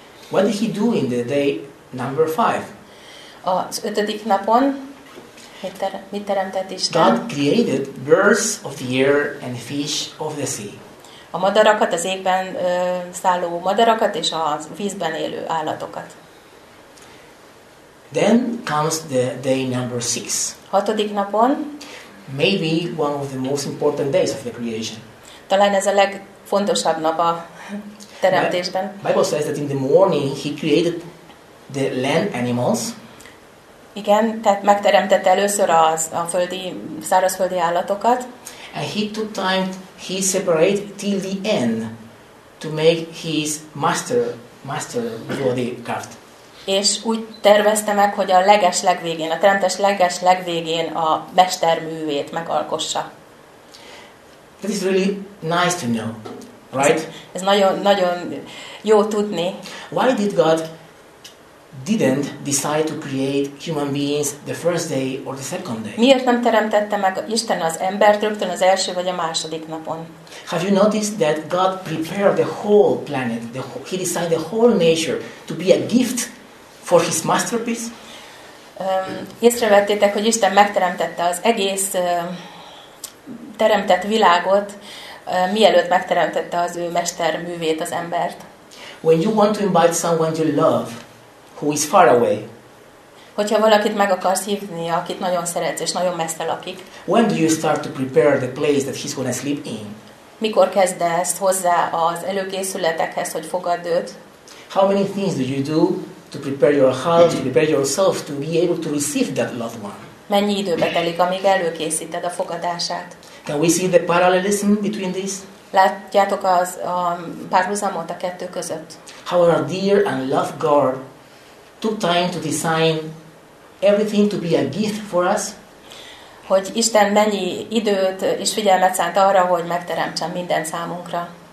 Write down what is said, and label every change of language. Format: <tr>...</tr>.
<en>What did he do in the day number 5?</en> <hu>Az ötödik napon mit teremtett Isten?</hu> <en>God created birds of the air and fish of the sea.</en> <hu>A madarakat, az égben szálló madarakat és a vízben élő állatokat.</hu> <en>Then comes the day number 6.</en> <hu>Hatodik napon.</hu> <en>Maybe one of the most important days of the creation.</en> <hu>Talán ez a legfontosabb nap a teremtésben.</hu> <en>Bible says that in the morning he created the land animals.</en> <hu>Igen, tehát megteremtette először az a földi, szárazföldi állatokat.</hu> <en>And he took time, he separated till the end to make his master body carved.</en> <hu>És úgy tervezte meg, hogy a leges legvégén, a teremtés leges legvégén a mesterművét megalkossa.</hu> <en>That is really nice to know, right?</en> <hu>Ez nagyon nagyon jó tudni.</hu> <en>Why did God didn't decide to create human beings the first day or the second day?</en> <hu>Miért nem teremtette meg Isten az embert rögtön az első vagy a második napon?</hu> <en>Have you noticed that God prepared the whole planet, he designed the whole nature to be a gift for his masterpiece?</en> <hu>Észrevettétek, hogy Isten megteremtette az egész teremtett világot, mielőtt megteremtette az ő mesterművét, az embert.</hu> <en>When you want to invite someone you love, who is far away.</en> <hu>Hogyha valakit meg akarsz hívni, akit nagyon szeretsz és nagyon messze lakik.</hu> <en>When do you start to prepare the place that he's going to sleep in?</en> <hu>Mikor kezdesz hozzá az előkészületekhez, hogy fogadd őt?</hu> <en>How many things do you do to prepare your house, to prepare yourself to be able to receive that loved one?</en> <hu>Mennyi időbe telik, amíg előkészíted a fogadását?</hu> <en>Can we see the parallelism between these?</en> <hu>Látjátok a párhuzamot a kettő között?</hu> <en>How our dear and loved God took time to design everything to be a gift for us.</en> <hu>Hogy Isten mennyi időt és figyelmet szánt arra, hogy megteremtsen minden számunkra.</hu>